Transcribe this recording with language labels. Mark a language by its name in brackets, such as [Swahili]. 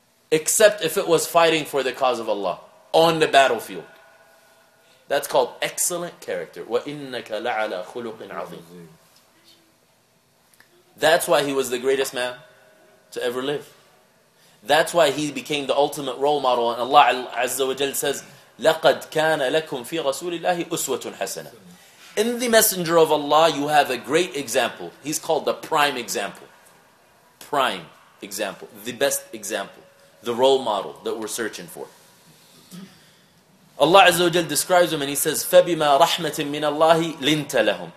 [English] Except if it was fighting for the cause of Allah on the battlefield. That's called excellent character. [Arabic] وَإِنَّكَ لَعَلَى خُلُقٍ عَظِيمٍ. [English] That's why he was the greatest man to ever live. That's why he became the ultimate role model. And Allah Azza wa Jal says, [Arabic] لَقَدْ كَانَ لَكُمْ فِي رَسُولِ اللَّهِ أُسْوَةٌ حَسَنًا. [English] In the Messenger of Allah, you have a great example. He's called the prime example. Prime example. The best example. The role model that we're searching for. Allah Azza wa Jal describes him and he says, [Arabic] فَبِمَا رَحْمَةٍ مِّنَ اللَّهِ لِنْتَ لَهُمْ.